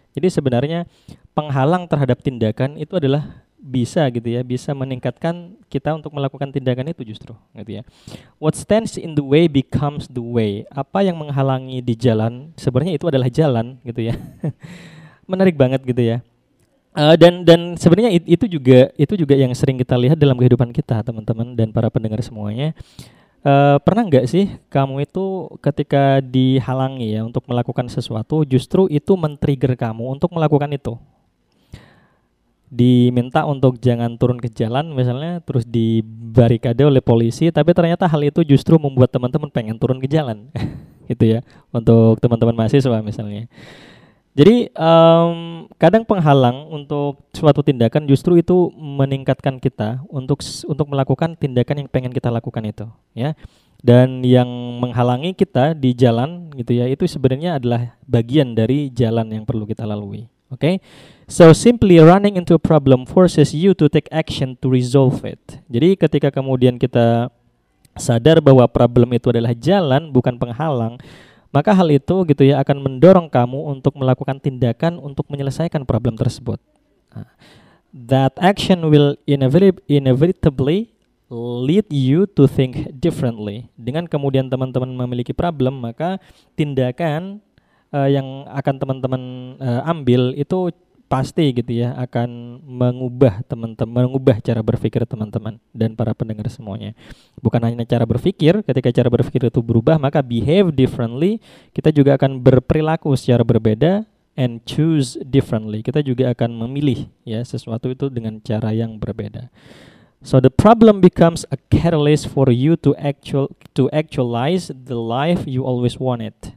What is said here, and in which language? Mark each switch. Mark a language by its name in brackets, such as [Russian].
[Indonesian] Jadi sebenarnya penghalang terhadap tindakan itu adalah bisa meningkatkan kita untuk melakukan tindakan itu justru gitu ya. [English] What stands in the way becomes the way. [Indonesian] Apa yang menghalangi di jalan sebenarnya itu adalah jalan gitu ya. Menarik banget gitu ya. Dan sebenarnya itu juga yang sering kita lihat dalam kehidupan kita, teman-teman dan para pendengar semuanya. Pernah enggak sih kamu itu ketika dihalangi ya untuk melakukan sesuatu, justru itu men-trigger kamu untuk melakukan itu? Diminta untuk jangan turun ke jalan misalnya, terus dibarikade oleh polisi, tapi ternyata hal itu justru membuat teman-teman pengen turun ke jalan gitu ya, untuk teman-teman mahasiswa misalnya. Jadi kadang penghalang untuk suatu tindakan justru itu meningkatkan kita untuk melakukan tindakan yang pengen kita lakukan itu ya. Dan yang menghalangi kita di jalan gitu ya, itu sebenarnya adalah bagian dari jalan yang perlu kita lalui. Oke. Okay? [English] So simply running into a problem forces you to take action to resolve it. [Indonesian] Jadi ketika kemudian kita sadar bahwa problem itu adalah jalan bukan penghalang, maka hal itu gitu ya akan mendorong kamu untuk melakukan tindakan untuk menyelesaikan problem tersebut. [English] That action will inevitably lead you to think differently. [Indonesian] Dengan kemudian teman-teman memiliki problem, maka tindakan yang akan teman-teman ambil itu pasti gitu ya akan mengubah teman-teman, mengubah cara berpikir teman-teman dan para pendengar semuanya. Bukan hanya cara berpikir, ketika cara berpikir itu berubah maka [English] behave differently, [Indonesian] kita juga akan berperilaku secara berbeda [English] and choose differently. [Indonesian] Kita juga akan memilih ya sesuatu itu dengan cara yang berbeda. [English] So the problem becomes a catalyst for you to actualize the life you always wanted.